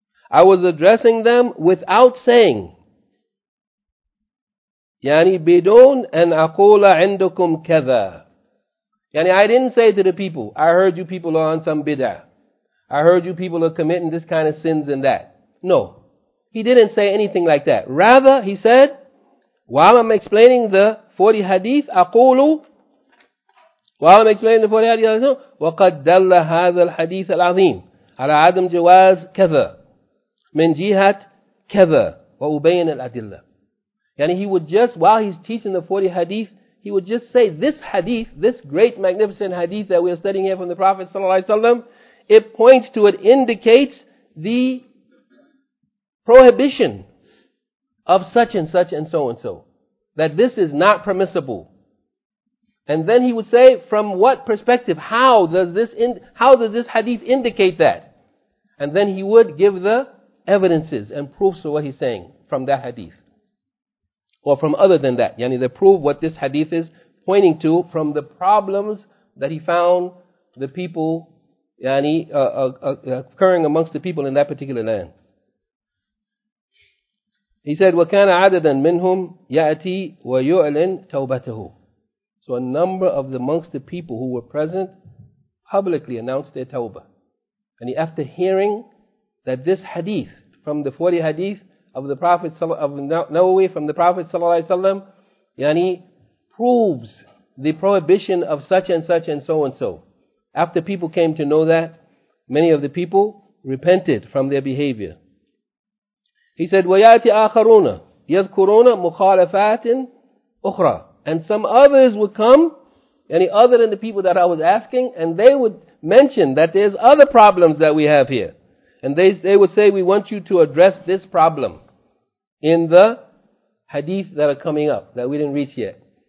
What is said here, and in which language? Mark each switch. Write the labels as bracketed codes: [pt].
[en] I was addressing them without saying, [ar] يعني بدون أن أقول عندكم كذا. [en] يعني I didn't say to the people, I heard you people are on some bid'ah. I heard you people are committing this kind of sins and that. No. He didn't say anything like that. Rather, he said, while I'm explaining the 40 hadith, أقول while I'm explaining the 40 hadith, [ar] وقد دل هذا الحديث العظيم على عدم جواز كذا من جهة كذا وأبين الأدلة. [en] Yani he would just, while he's teaching the 40 hadith, he would just say, this hadith, this great magnificent hadith that we are studying here from the Prophet ﷺ, it points to, it indicates the prohibition of such and such and so, that this is not permissible. And then he would say, from what perspective, how does this hadith indicate that? And then he would give the evidences and proofs of what he's saying from that hadith. Or from other than that. Yani they prove what this hadith is pointing to from the problems that he found the people, yani occurring amongst the people in that particular land. He said, [ar] وَكَانَ عَدَدًا مِنْهُمْ يَأْتِي وَيُعْلِنْ تَوْبَتَهُ. [en] So a number of the amongst the people who were present publicly announced their tawbah. And after hearing that this hadith from the 40 hadith of the Prophet of Nawawi from the Prophet sallallahu alaihi wasallam, yani proves the prohibition of such and such and so, after people came to know that, many of the people repented from their behavior. He said, [ar] وَيَأْتِ آخَرُونَ يَذْكُرُونَ مُخَالَفَاتٍ أُخْرَى. [en] And some others would come, any other than the people that I was asking, and they would mention that there's other problems that we have here. And they would say, we want you to address this problem in the hadith that are coming up, that we didn't reach yet.